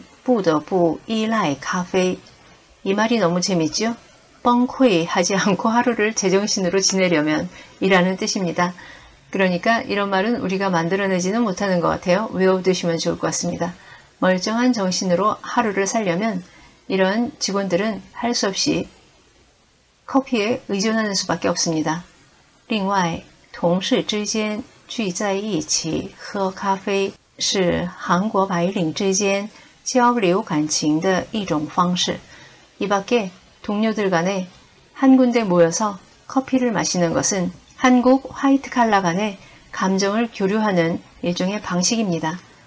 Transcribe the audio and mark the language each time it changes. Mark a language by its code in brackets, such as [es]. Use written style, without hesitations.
[zh] 要想保持一天的状态，这些职员不得不依赖咖啡. [ko] 이 말이 너무 재밌죠? 崩溃하지 않고 하루를 제정신으로 지내려면 이라는 뜻입니다. 그러니까 이런 말은 우리가 만들어내지는 못하는 것 같아요. 외워두시면 좋을 것 같습니다. 멀쩡한 정신으로 하루를 살려면 이런 직원들은 할 수 없이 커피에 의존하는 수밖에 없습니다. [zh] 另外，同事之间聚在一起喝咖啡是韩国白领之间交流感情的一种方式。 [ko] 이밖에동료들간에한군데모여서커피를마시는것은한국화이트칼라간의감정을교류하는일종의방식입니다。